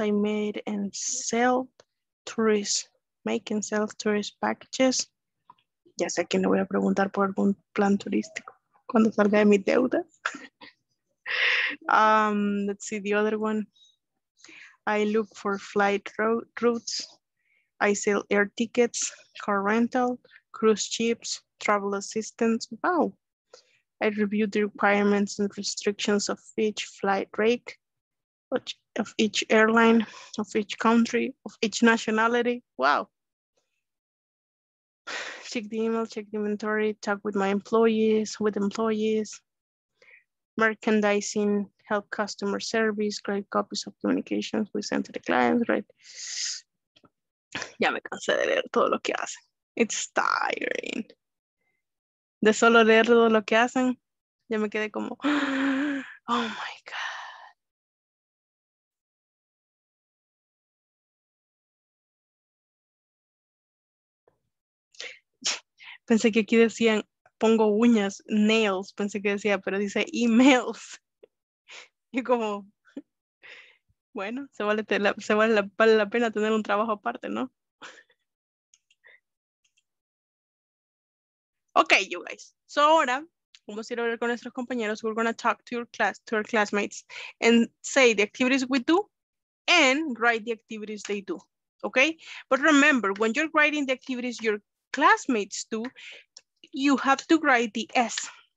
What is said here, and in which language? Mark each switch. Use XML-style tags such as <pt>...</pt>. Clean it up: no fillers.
<en>I made and sell tourist, make and sell tourist packages.</en> <es>Ya sé que no voy a preguntar por algún plan turístico cuando salga de mi deuda.</es> <en>Let's see the other one. I look for flight routes. I sell air tickets, car rental, cruise ships, travel assistance. Wow. I review the requirements and restrictions of each flight rate, of each airline, of each country, of each nationality. Wow. Check the email, check the inventory, talk with my employees, with employees, merchandising, help customer service, create copies of communications we send to the clients, right?</en> <es>Ya me cansé de leer todo lo que hacen.</es> <en>It's tiring.</en> <es>De solo leer todo lo que hacen, ya me quedé como,</es> <en>oh my God.</en> <es>Pensé que aquí decían, pongo uñas, nails, pensé que decía, pero dice emails. Y como, bueno, vale la pena tener un trabajo aparte, ¿no?</es> <en>Ok, you guys.</en> <es>So ahora, vamos a ir a hablar con nuestros compañeros.</es> <en>We're going to talk to your class, to your classmates, and say the activities we do, and write the activities they do. Ok? But remember, when you're writing the activities you're classmates do, you have to write the S.</en>